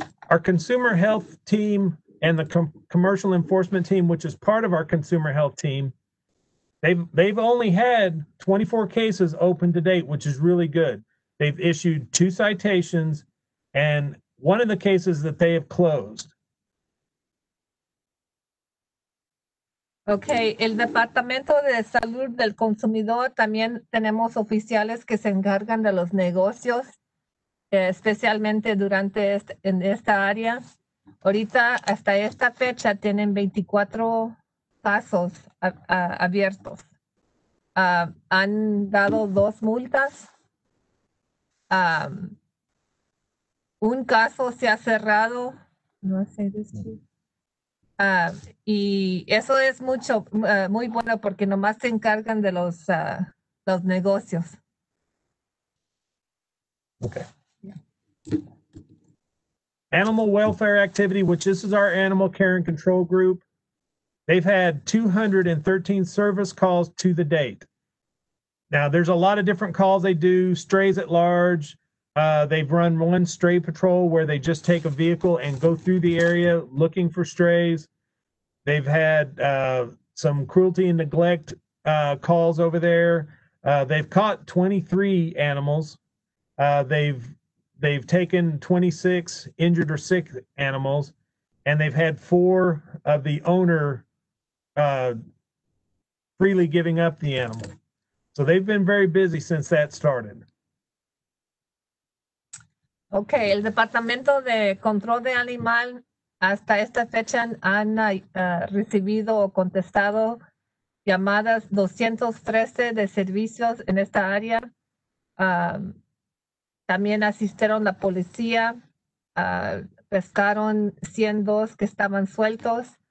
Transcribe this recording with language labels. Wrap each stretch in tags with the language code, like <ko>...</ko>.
<en>Our consumer health team and the commercial enforcement team, which is part of our consumer health team, they've only had 24 cases open to date, which is really good. They've issued 2 citations and one of the cases that they have closed.</en> <es>Okay, el Departamento de Salud del Consumidor, también tenemos oficiales que se encargan de los negocios. Especialmente durante esta área. Ahorita, hasta esta fecha, tienen 24 casos abiertos. Han dado 2 multas. Un caso se ha cerrado. No sé, y eso es mucho, muy bueno porque nomás se encargan de los negocios.</es> <en>Okay. Animal welfare activity, which this is our animal care and control group, they've had 213 service calls to the date. Now, there's a lot of different calls they do, strays at large. They've run one stray patrol where they just take a vehicle and go through the area looking for strays. They've had some cruelty and neglect calls over there. They've caught 23 animals. They've taken 26 injured or sick animals, and they've had 4 of the owner freely giving up the animal. So they've been very busy since that started.</en> <es>Okay, el Departamento de Control de Animal hasta esta fecha han recibido o contestado llamadas 213 de servicios en esta área. También asistieron la policía, pescaron 102 que estaban sueltos.</es>